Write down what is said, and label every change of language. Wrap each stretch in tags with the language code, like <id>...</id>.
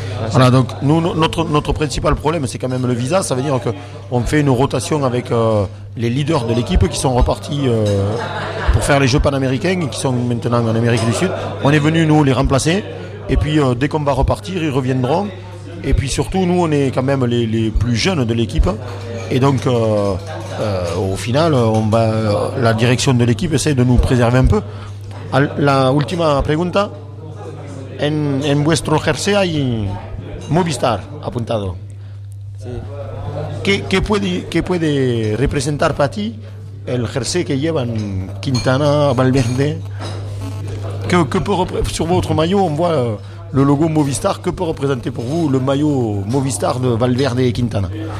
<fr>Voilà, donc nous, notre principal problème, c'est quand même le visa. Ça veut dire qu'on fait une rotation avec les leaders de l'équipe qui sont repartis pour faire les Jeux Panaméricains, qui sont maintenant en Amérique du Sud. On est venu, nous, les remplacer. Et puis, dès qu'on va repartir, ils reviendront. Et puis, surtout, nous, on est quand même les plus jeunes de l'équipe. Et donc, au final, la direction de l'équipe essaie de nous préserver un peu.</fr> <es>La última pregunta. En vuestro jersey hay Movistar apuntado. Sí. ¿Qué puede representar para ti el jersey que llevan Quintana, Valverde?</es> <fr>Sur votre maillot, on voit le logo Movistar.</fr> <es>¿Qué puede representar para vos el maillot Movistar de Valverde y Quintana?</es>